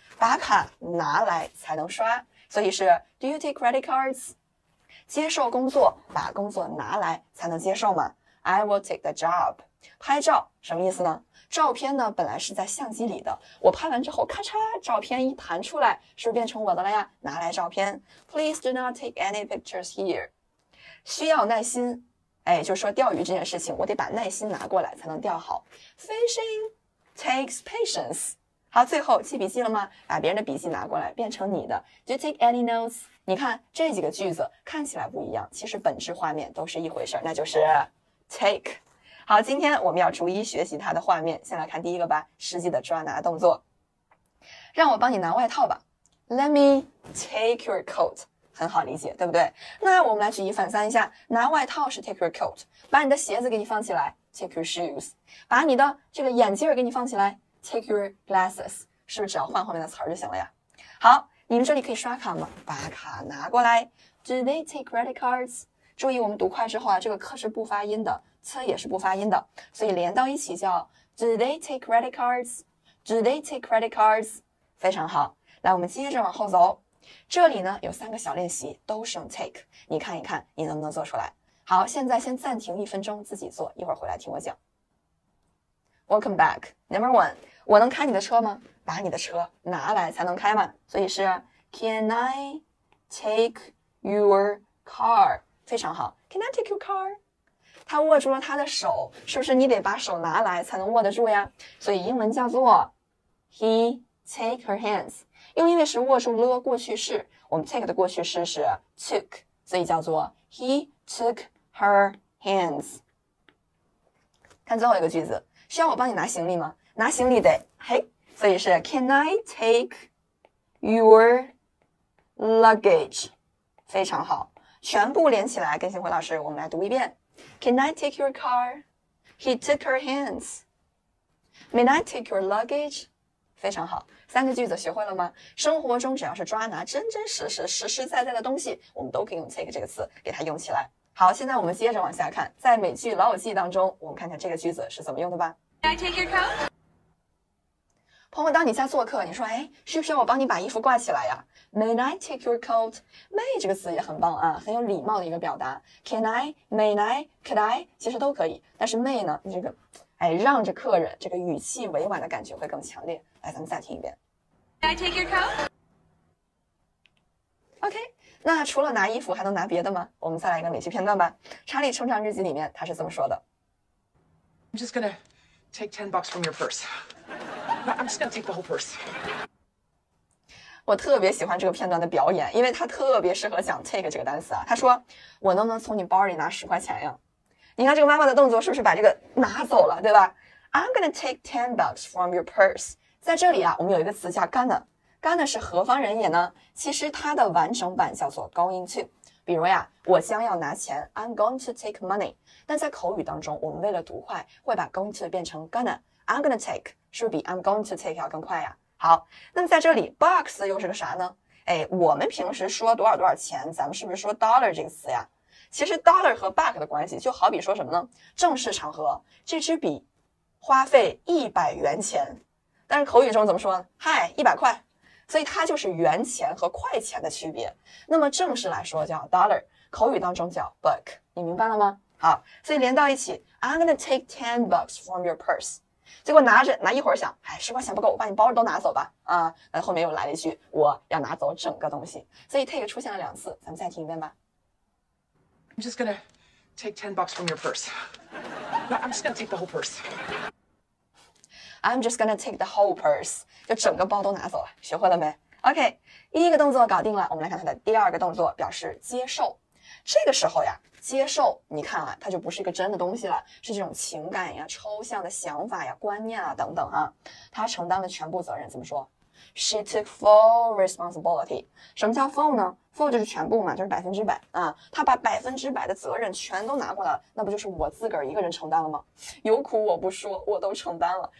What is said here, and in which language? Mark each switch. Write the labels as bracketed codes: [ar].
[zh] 把卡拿来才能刷，所以是 [en] Do you take credit cards? [zh] 接受工作，把工作拿来才能接受嘛。 [en] I will take the job. [zh] 拍照什么意思呢？照片呢，本来是在相机里的，我拍完之后，咔嚓，照片一弹出来，是不是变成我的了呀？拿来照片。 [en] Please do not take any pictures here. [zh] 需要耐心，哎，就是说钓鱼这件事情，我得把耐心拿过来才能钓好。 [en] Fishing takes patience. [zh] 好，最后记笔记了吗？把别人的笔记拿过来变成你的。 [en] Do you take any notes? [zh] 你看这几个句子看起来不一样，其实本质画面都是一回事，那就是 take。好，今天我们要逐一学习它的画面，先来看第一个吧，实际的抓拿动作。让我帮你拿外套吧， [en] Let me take your coat。 [zh] 很好理解，对不对？那我们来举一反三一下，拿外套是 [en] take your coat， [zh] 把你的鞋子给你放起来， [en] take your shoes， [zh] 把你的这个眼镜给你放起来， [en] Take your glasses， [zh] 是不是只要换后面的词儿就行了呀？好，你们这里可以刷卡吗？把卡拿过来。 [en] Do they take credit cards？ [zh] 注意，我们读快之后啊，这个课是不发音的，词也是不发音的，所以连到一起叫 [en] Do they take credit cards？ Do they take credit cards？ [zh] 非常好。来，我们接着往后走。这里呢有三个小练习，都是用 take， 你看一看你能不能做出来。好，现在先暂停一分钟，自己做，一会儿回来听我讲。 [en] Welcome back. Number one, [zh] 我能开你的车吗？把你的车拿来才能开嘛。所以是 [en] Can I take your car? [zh] 非常好。 [en] Can I take your car? [zh] 他握住了他的手，是不是你得把手拿来才能握得住呀？所以英文叫做 [en] He take her hands. [zh] 用英语时握住了过去式，我们 take 的过去式是 took， 所以叫做 [en] He took her hands. [zh] 看最后一个句子。需要我帮你拿行李吗？拿行李得，嘿，所以是 [en] Can I take your luggage? [zh] 非常好，全部连起来跟星辉老师我们来读一遍。 [en] Can I take your car? He took her hands. May I take your luggage? [zh] 非常好，三个句子学会了吗？生活中只要是抓拿真真实实实实在在的东西，我们都可以用 take 这个词给它用起来。好，现在我们接着往下看，在美剧《老友记》当中，我们看看这个句子是怎么用的吧。 [en] Can I take your coat? [zh] 朋友，当你在做客，你说，哎，需不需要我帮你把衣服挂起来呀？ [en] May I take your coat? [zh] May 这个词也很棒啊，很有礼貌的一个表达。 [en] Can I? May I? Could I? [zh] 其实都可以，但是 may 呢，这个，哎，让着客人，这个语气委婉的感觉会更强烈。来，咱们再听一遍。 [en] Can I take your coat? OK。 [zh] 那除了拿衣服还能拿别的吗？我们再来一个美剧片段吧。查理成长日记里面他是这么说的。 [en] I'm just gonna take 10 bucks from your purse. I'm just gonna take the whole purse. [zh] 我特别喜欢这个片段的表演，因为他特别适合讲 take 这个单词啊。他说我能不能从你包里拿10块钱呀？你看这个妈妈的动作是不是把这个拿走了，对吧？ [en] I'm gonna take 10 bucks from your purse. [zh] 在这里啊，我们有一个词叫 gonna。Gonna 是何方人也呢？其实它的完整版叫做 going to。比如呀，我将要拿钱 [en] I'm going to take money。 [zh] 但在口语当中，我们为了读快会把 going to 变成 gonna。 [en] I'm gonna take [zh] 是不是比 [en] I'm going to take [zh] 要更快呀？好，那么在这里 box 又是个啥呢？哎，我们平时说多少多少钱，咱们是不是说 dollar 这个词呀？其实 dollar 和 buck 的关系就好比说什么呢，正式场合这支笔花费100元钱，但是口语中怎么说，嗨，100块。所以它就是元钱和快钱的区别。那么正式来说叫 dollar， 口语当中叫 buck， 你明白了吗？好，所以连到一起 [en] I'm gonna take 10 bucks from your purse。 [zh] 结果拿一会儿想，哎，10块钱不够，我把你包都拿走吧。啊，那后面又来了一句，我要拿走整个东西。所以 take 出现了两次，咱们再听一遍吧。 [en] I'm just gonna take 10 bucks from your purse. I'm just gonna take the whole purse. I'm just gonna take the whole purse. [zh] 就整个包都拿走了，学会了没 ？OK， 第一个动作搞定了，我们来看它的第二个动作，表示接受。这个时候呀，接受你看啊，它就不是一个真的东西了，是这种情感呀、抽象的想法呀、观念啊等等啊，它承担了全部责任。怎么说 [en] ？She took full responsibility。 [zh] 什么叫 full 呢 ？full 就是全部嘛，就是百分之百啊。她把百分之百的责任全都拿过来了，那不就是我自个儿一个人承担了吗？有苦我不说，我都承担了。